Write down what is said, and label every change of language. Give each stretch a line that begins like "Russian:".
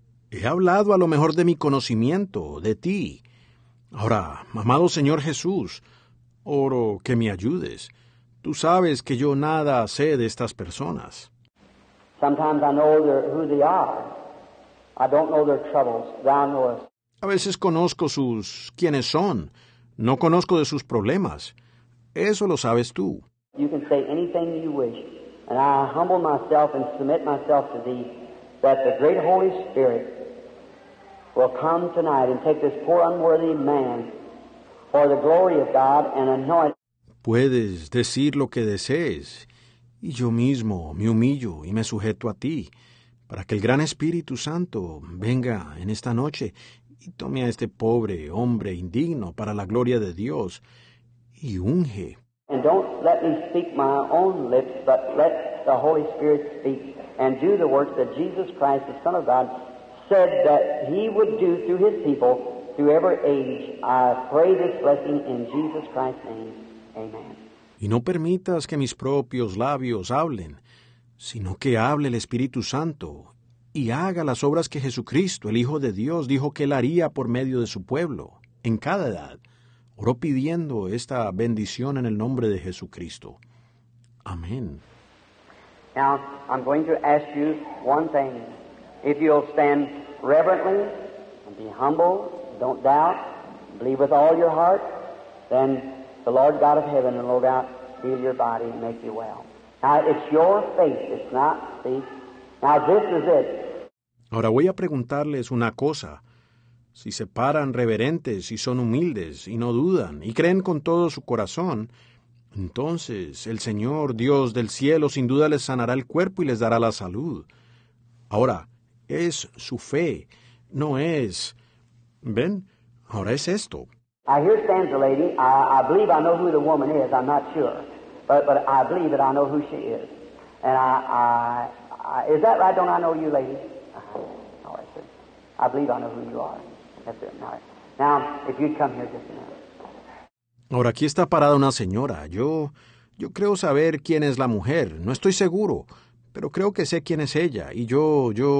Spanish: He hablado a lo mejor de mi conocimiento, de ti. Ahora, amado Señor Jesús, oro que me ayudes. Tú sabes que yo nada sé de estas personas.
English: Sometimes I know who they are. I don't know their troubles. Thou knowest.
Spanish: A veces conozco sus quiénes son. No conozco de sus problemas. Eso lo sabes tú.
English: You can say anything you wish, and I humble myself and submit myself to thee, that the great Holy Spirit will come tonight and take this poor unworthy man for the glory of God and anoint.
Spanish: Puedes decir lo que desees, y yo mismo me humillo y me sujeto a ti, para que el gran Espíritu Santo venga en esta noche y tome a este pobre hombre indigno para la gloria de Dios y unge.
English: And don't let me speak my own lips, but let the Holy Spirit speak and do the work that Jesus Christ, the Son of God, said that he would do through his people through every age. I pray this blessing in Jesus Christ's name. Amen.
Spanish: Y no permitas que mis propios labios hablen, sino que hable el Espíritu Santo y haga las obras que Jesucristo, el Hijo de Dios, dijo que Él haría por medio de su pueblo, en cada edad. Oro pidiendo esta bendición en el nombre de Jesucristo. Amén.
English: Now, I'm going to ask you one thing. If you'll stand reverently, and be humble, don't doubt, believe with all your heart, then the Lord God of heaven and Lord God heal your body and make you well. Now, it's your faith. It's not, see? Now, this is it.
Spanish: Ahora voy a preguntarles una cosa. Si se paran reverentes y son humildes y no dudan y creen con todo su corazón, entonces el Señor, Dios del cielo, sin duda les sanará el cuerpo y les dará la salud. Ahora, es su fe, no es... ¿Ven? Ahora es esto.
English: I hear stands a lady. I believe I know who the woman is. I'm not sure. But I believe that I know who she is. And is that right? Don't I know you, lady? All right, sir. I believe I know who you are. That's it. All right. Now, if you'd come here just a minute.
Spanish: Ahora, aquí está parada una señora. Yo creo saber quién es la mujer. No estoy seguro, pero creo que sé quién es ella. Y yo...